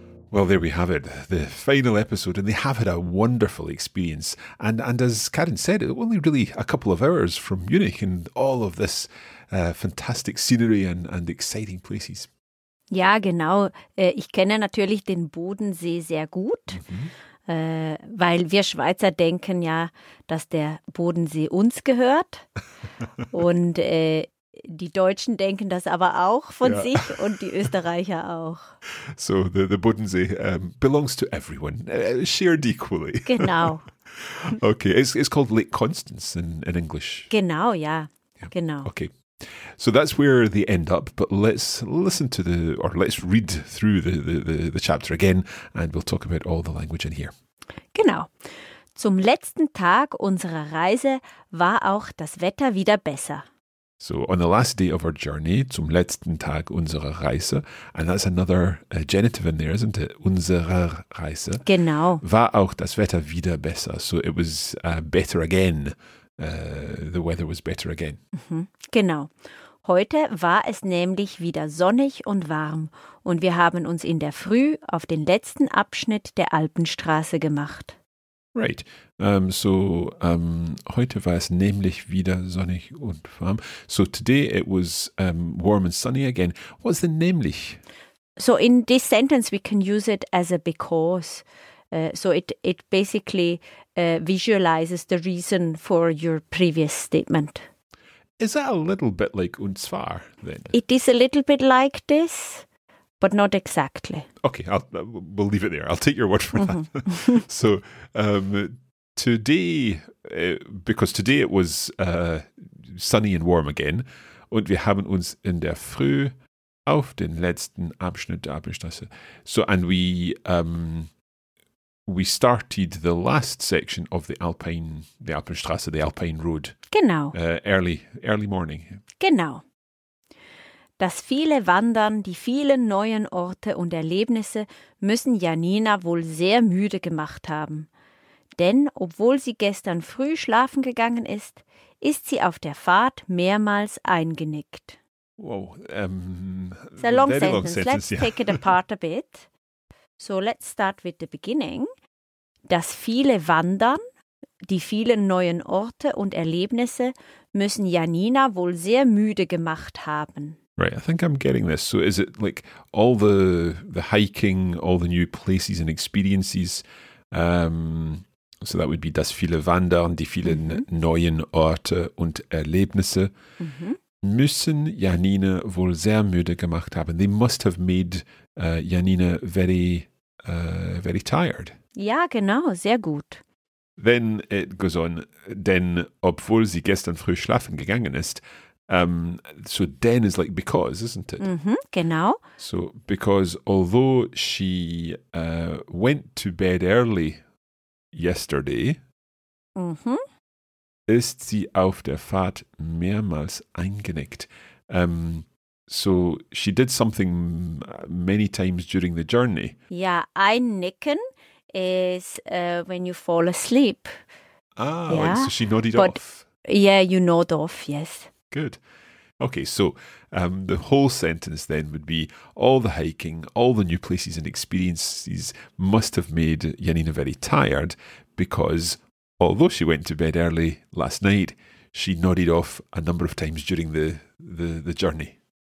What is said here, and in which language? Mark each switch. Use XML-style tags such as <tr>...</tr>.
<en>Well, there we have it, the final episode, and they have had a wonderful experience. And as Karen said, only really a couple of hours from Munich and all of this fantastic scenery and exciting places.</en> <de>Ja, genau. Ich kenne natürlich den Bodensee sehr gut. Mm-hmm. Weil wir Schweizer denken ja, dass der Bodensee uns gehört und die Deutschen denken das aber auch von sich und die Österreicher auch.</de> <en>So, the Bodensee belongs to everyone, shared equally.</en> <de>Genau.</de> <en>Okay, it's called Lake Constance in English.</en> <de>Genau, ja, genau.</de> <en>Okay. So that's where they end up, but let's listen to let's read through the chapter again and we'll talk about all the language in here.</en> <de>Genau. Zum letzten Tag unserer Reise war auch das Wetter wieder besser.</de> <en>So on the last day of our journey,</en> <de>zum letzten Tag unserer Reise,</de> <en>and that's another genitive in there, isn't it?</en> <de>Unserer Reise. Genau. War auch das Wetter wieder besser.</de> <en>So it was better again. The weather was better again.</en> <de>Mm-hmm. Genau. Heute war es nämlich wieder sonnig und warm und wir haben uns in der Früh auf den letzten Abschnitt der Alpenstraße gemacht.</de> <en>Right.</en> <de>Heute war es nämlich wieder sonnig und warm.</de> <en>So today it was warm and sunny again. What's the nämlich? So in this sentence we can use it as a because. So it basically visualizes the reason for your previous statement. Is that a little bit like</en> <de>und zwar</de> <en>then? It is a little bit like this, but not exactly. Okay, we'll leave it there. I'll take your word for that. So today, because today it was sunny and warm again,</en> <de>und wir haben uns in der Früh auf den letzten Abschnitt der Alpenstraße.</de> <en>So, and we started the last section of the Alpenstraße, the Alpine Road.</en> <de>Genau.</de> <en>Early morning.</en> <de>Genau. Das viele Wandern, die vielen neuen Orte und Erlebnisse müssen Janina wohl sehr müde gemacht haben. Denn obwohl sie gestern früh schlafen gegangen ist sie auf der Fahrt mehrmals eingenickt.</de> <en>Wow. It's a long sentence. Let's take it apart a bit. So let's start with the beginning.</en> <de>Das viele Wandern, die vielen neuen Orte und Erlebnisse müssen Janina wohl sehr müde gemacht haben.</de> <en>Right, I think I'm getting this. So is it like all the hiking, all the new places and experiences? So that would be</en> <de>das viele Wandern, die vielen neuen Orte und Erlebnisse müssen Janina wohl sehr müde gemacht haben.</de> <en>They must have made Janina very tired.</en> <de>Ja, genau, sehr gut.</de> <en>Then it goes on,</en> <de>denn obwohl sie gestern früh schlafen gegangen ist,</de> <en>so then is like because, isn't it?</en> <de>Mm-hmm, genau.</de> <en>So because although she went to bed early yesterday, mm-hmm.</en> <de>ist sie auf der Fahrt mehrmals eingenickt.</de> <en>So she did something many times during the journey. Ja, einnicken is when you fall asleep. Ah, yeah. So she nodded off. Yeah, you nod off, yes. Good. Okay, so the whole sentence then would be all the hiking, all the new places and experiences must have made Janina very tired because although she went to bed early last night, she nodded off a number of times during the journey.</en>